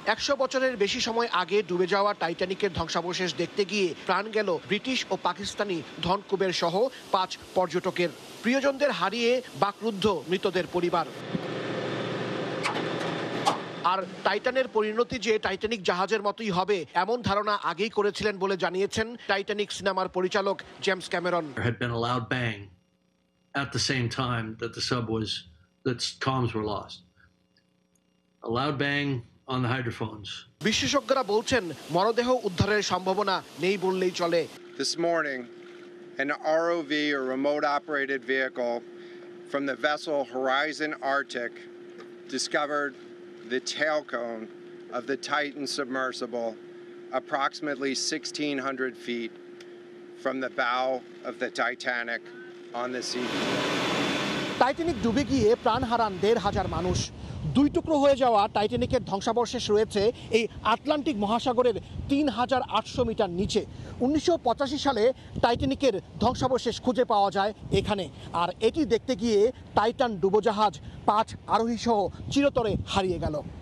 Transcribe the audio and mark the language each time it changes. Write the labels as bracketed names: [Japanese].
[Bangla] 100 বছরের বেশি সময় আগে ডুবে যাওয়া টাইটানিকের ধ্বংসাবশেষ দেখতে গিয়ে প্রাণ গেল ব্রিটিশ ও পাকিস্তানি ধনকুবের সহ 5 পর্যটকের। প্রিয়জনদের হারিয়ে বাকরুদ্ধ মৃতদের পরিবার। আর টাইটানের পরিণতি যে টাইটানিক জাহাজের মতোই হবে এমন ধারণা আগেই করেছিলেন বলে জানিয়েছেন টাইটানিক সিনেমার পরিচালক James Cameron. [English] Had been a loud bang at the same time that the sub was that comms were lost. A loud bang on the hydrophones. [Bangla] বিশেষজ্ঞরা বলছেন মরদেহ উদ্ধারের সম্ভাবনা নেই বললেই চলে। [English] This morning an ROV or remote operated vehicle from the vessel Horizon Arctic discovered the tail cone of the Titan submersible approximately 1600 feet from the bow of the Titanic on the sea. [Bangla] Titanic ডুবে গিয়ে প্রাণ হারান 1500 মানুষ। দুই টুকরো হয়ে যাওয়া টাইটানিকের ধ্বংসাবশেষ রয়েছে এই আটলান্টিক মহাসাগরের 3800 মিটার নিচে। 1985 সালে টাইটানিকের ধ্বংসাবশেষ খুঁজে পাওয়া যায় এখানে, আর এটি দেখতে গিয়ে টাইটান ডুবোজাহাজ 5 আরোহী সহ চিরতরে হারিয়ে গেল।